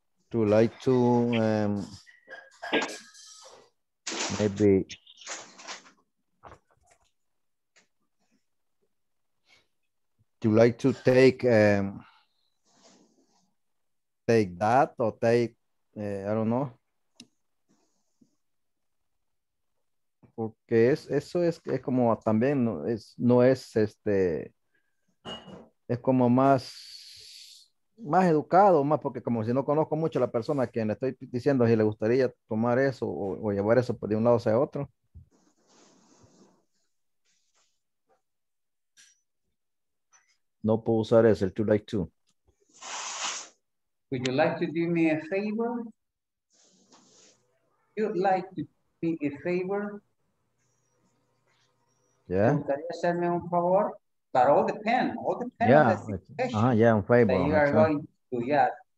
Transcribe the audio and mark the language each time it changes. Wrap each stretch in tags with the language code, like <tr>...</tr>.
<en>To like to maybe. Do you like to take that or take, I don't know.</en> <es>Porque es, eso es como también, es como más educado, más porque como si no conozco mucho a la persona a quien le estoy diciendo si le gustaría tomar eso o llevar eso de un lado hacia otro. No puedo usar ese, el to like to.</es> <en>Would you like to do me a favor? You'd like to do me a favor? Yeah.</en> <es>¿Me gustaría hacerme un favor? But all depends. Yeah. Un favor.</es> <en>That you are going to, yeah.</en>